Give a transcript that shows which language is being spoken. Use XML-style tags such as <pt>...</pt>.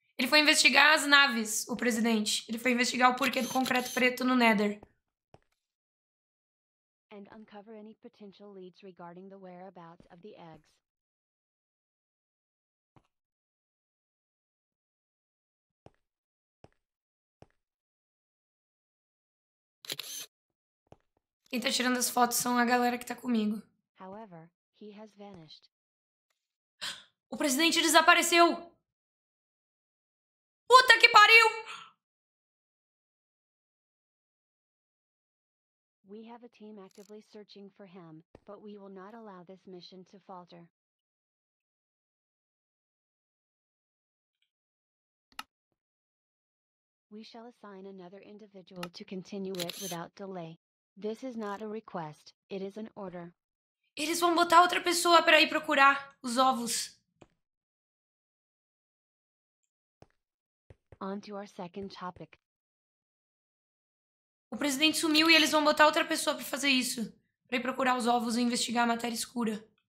<pt>Ele foi investigar as naves, o presidente. Ele foi investigar o porquê do concreto preto no Nether.</pt> <en>and uncover any potential leads regarding the whereabouts of the eggs.</en> <pt>Quem tá tirando as fotos são a galera que tá comigo.</pt> <en>However, he has vanished.</en> <pt>O presidente desapareceu! Puta que pariu!</pt> <en>We have a team actively searching for him, but we will not allow this mission to falter. We shall assign another individual to continue it without delay. This is not a request, it is an order.</en> <pt>Eles vão botar outra pessoa para ir procurar os ovos.</pt> <en>On to our second topic.</en> <pt>O presidente sumiu e eles vão botar outra pessoa para fazer isso, para ir procurar os ovos e investigar a matéria escura.</pt>